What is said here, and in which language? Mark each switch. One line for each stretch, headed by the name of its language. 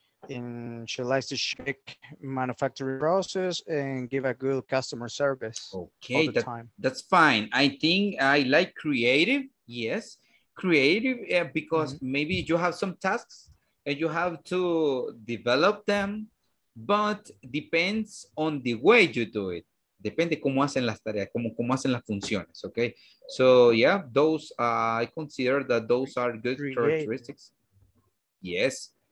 English: And she likes to shake manufacturing process and give a good customer service. Okay, all the time. That's fine. I think I like creative. Yes, creative because mm-hmm. maybe you have some tasks and you have to develop them, but depends on the way you do it.
Spanish: Depende cómo hacen las tareas, cómo hacen las funciones.
English: Okay, so yeah, those I consider that those are good creative. Characteristics. Yes.